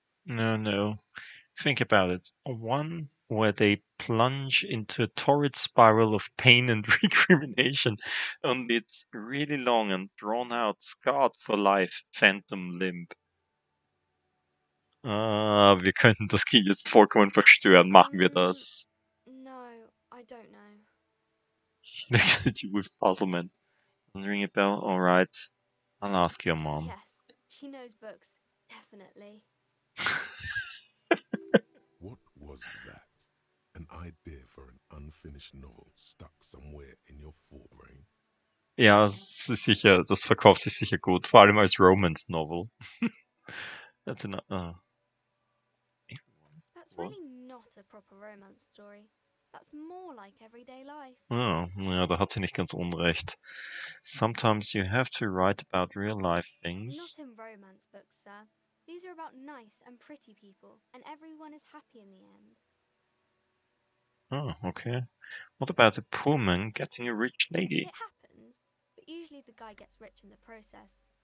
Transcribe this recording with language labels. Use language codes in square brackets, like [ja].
[en] No, no. Think about it. One where they plunge into a torrid spiral of pain and recrimination, only it's really long and drawn out, scarred for life, phantom limb. [de] Wir könnten das Kind jetzt vollkommen verstören, machen wir das? [en] No, I don't know. She looks at you with puzzlement. Doesn't ring a bell? Alright. I'll ask your mom. Yes, she knows books, definitely. What was that? An idea for an unfinished novel stuck somewhere in your forebrain? [de] Ja, das ist sicher, das verkauft sich sicher gut, vor allem als Romance Novel. [en] That's an That's what? Really not a proper romance story. That's more like everyday life. [de] Oh, ja, da hat sie nicht ganz unrecht. [en] Sometimes you have to write about real life things. Not in romance books, sir. These are about nice and pretty people, and everyone is happy in the end. Oh, okay. What about a poor man getting a rich lady? It happens, but usually the guy gets rich in the process.